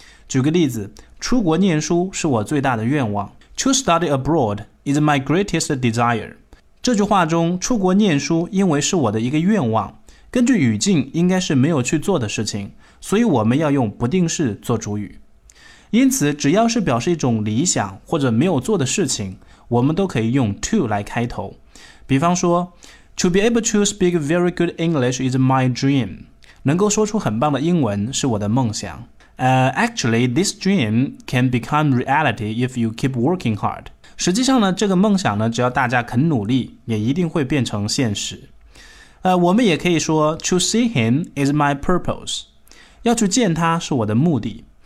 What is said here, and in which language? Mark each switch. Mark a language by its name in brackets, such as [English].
[Chinese] 举个例子，出国念书是我最大的愿望， [English] To study abroad is my greatest desire， [Chinese] 这句话中出国念书因为是我的一个愿望，根据语境应该是没有去做的事情，所以我们要用不定式做主语。因此只要是表示一种理想或者没有做的事情，我们都可以用 to 来开头。比方说 [English] To be able to speak very good English is my dream， [Chinese] 能够说出很棒的英文是我的梦想。 [English] Actually this dream can become reality if you keep working hard， [Chinese] 实际上呢，这个梦想呢，只要大家肯努力也一定会变成现实。我们也可以说 [English] To see him is my purpose， [Chinese] 要去见他是我的目的。